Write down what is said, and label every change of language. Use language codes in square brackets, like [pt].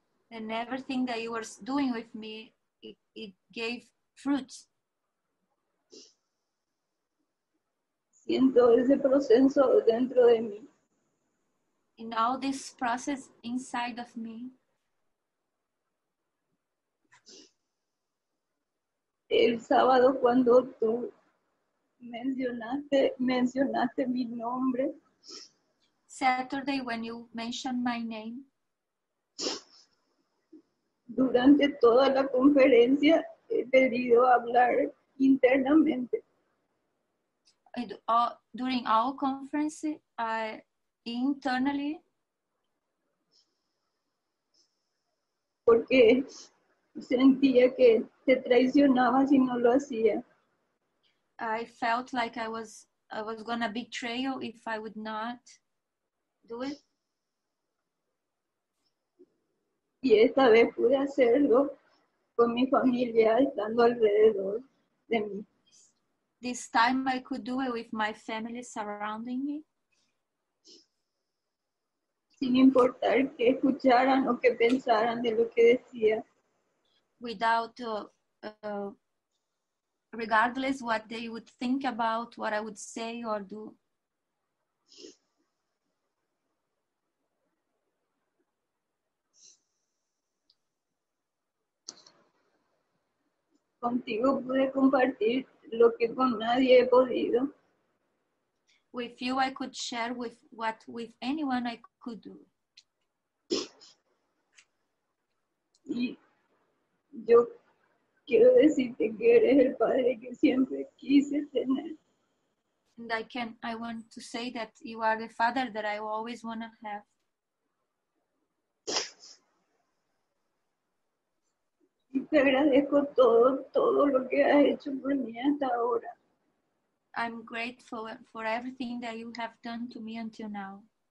[en] And everything that you were doing with me, it gave fruits. [es] Siento ese proceso dentro de mí. [en] In all this process inside of me. [es] El sábado cuando tú mencionaste mi nombre. [en] Saturday when you mentioned my name. [es] Durante toda la conferencia he pedido hablar internamente. [en] During all conference, internally. [es] Porque sentía que te traicionaba si no lo hacía. [en] I felt like I was gonna betray you if I would not do it. [es] Y esta vez pude hacerlo con mi familia estando alrededor de mí. [en] This time I could do it with my family surrounding me. [es] Sin importar que escucharan o que pensaran de lo que decía. [en] Without, regardless what they would think about what I would say or do. [es] Contigo pude compartir lo que con nadie he podido. [en] With you I could share with what with anyone I could do. [es] Y yo quiero decirte que eres el padre que siempre quise tener. [en] And I want to say that you are the father that I always want to have. [es] Te agradezco todo lo que has hecho por mí hasta ahora. [en] I'm grateful for everything that you have done to me until now.